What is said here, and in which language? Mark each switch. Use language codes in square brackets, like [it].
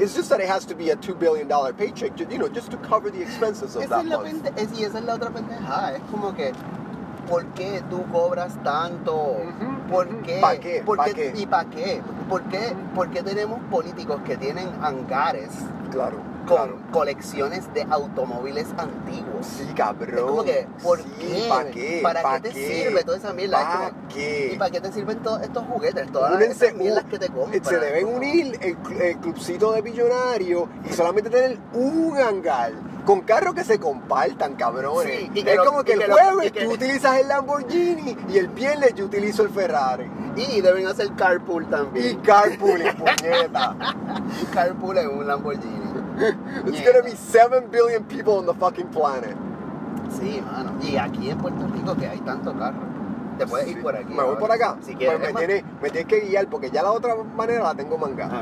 [en] It's just that it has to be a $2 billion paycheck, you know, just to cover the expenses of [es] esa [en] that month. [es] Esa es la otra pendeja. Es como que, ¿por qué tú cobras tanto? ¿Por qué? ¿Para qué? ¿Y para qué? ¿Por qué tenemos políticos que tienen hangares con colecciones de automóviles antiguos? Sí, cabrón. Es como que, ¿por sí, qué? ¿Para qué te sirve toda esa mierda? ¿Para qué? ¿Y para qué te sirven todos estos juguetes? Todas las mierdas que te compran. Se deben unir el clubcito de billonarios y solamente tener un hangar. Con carros que se compartan, cabrones. Sí, es como que el jueves tú utilizas el Lamborghini y el viernes yo utilizo el Ferrari. Y deben hacer carpool también. Y carpool, puñeta. Carpool es un Lamborghini. [en] It's gonna be 7 billion people on the fucking planet. [es] Sí, mano. Y aquí en Puerto Rico que hay tanto carro. Te puedes ir por aquí. Me voy por acá. Si quieres. Pues me tienes que guiar porque ya la otra manera la tengo mangada.